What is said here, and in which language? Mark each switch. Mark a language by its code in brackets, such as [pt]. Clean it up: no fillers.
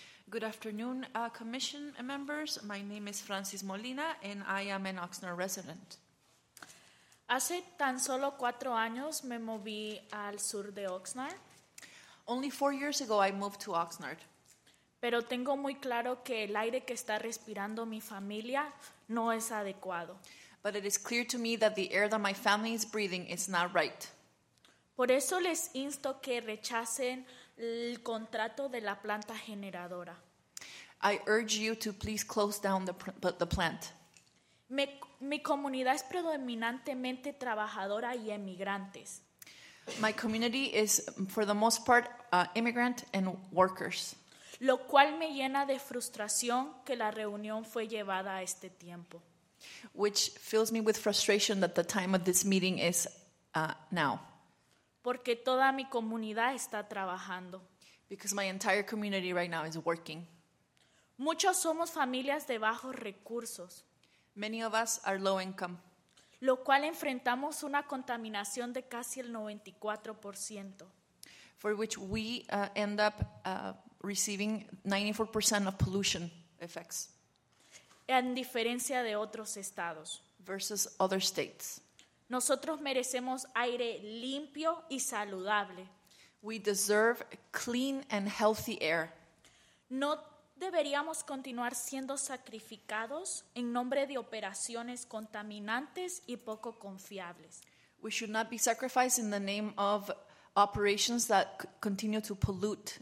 [en] Good afternoon, commission members. My name is Francis Molina and I am an Oxnard resident. [es] Hace tan solo 4 años me moví al sur de Oxnard. [en] Only 4 years ago I moved to Oxnard. [es] Pero tengo muy claro que el aire que está respirando mi familia no es adecuado. [en] But it is clear to me that the air that my family is breathing is not right. [es] Por eso les insto que rechacen el contrato de la planta generadora. [en] I urge you to please close down the plant. [es] Mi comunidad es predominantemente trabajadora y emigrantes. [en] My community is, for the most part, immigrant and workers. [es] Lo cual me llena de frustración que la reunión fue llevada a este tiempo. [en] Which fills me with frustration that the time of this meeting is now. [es] Porque toda mi comunidad está trabajando. [en] Because my entire community right now is working. [es] Muchos somos familias de bajos recursos. [en] Many of us are low income. [es] Lo cual enfrentamos una contaminación de casi el 94%. [en] For which we end up receiving 94% of pollution effects. [es] En diferencia de otros estados. [en] Versus other states. [es] Nosotros merecemos aire limpio y saludable. [en] We deserve clean and healthy air. [es] No deberíamos continuar siendo sacrificados en nombre de operaciones contaminantes y poco confiables. [en] We should not be sacrificed in the name of operations that continue to pollute.